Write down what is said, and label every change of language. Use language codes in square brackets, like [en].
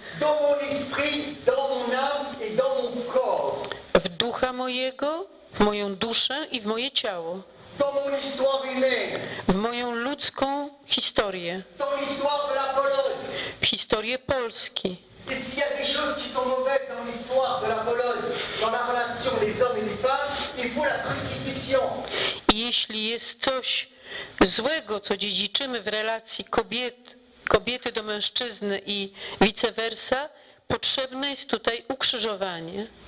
[fr] Dans mon esprit, dans mon âme et dans mon corps. [pl] W ducha mojego, w moją duszę i w moje ciało. [fr] Dans mon histoire humaine. [pl] W moją ludzką historię. [fr] Dans l'histoire de la Pologne. [pl] W historię Polski. [fr] Et s'il y a des choses qui sont mauvaises dans l'histoire de la Pologne, dans la relation des hommes et des femmes, il faut la crucifixion. [pl] Jeśli jest coś złego, co dziedziczymy w relacji kobiety do mężczyzny i vice versa, potrzebne jest tutaj ukrzyżowanie.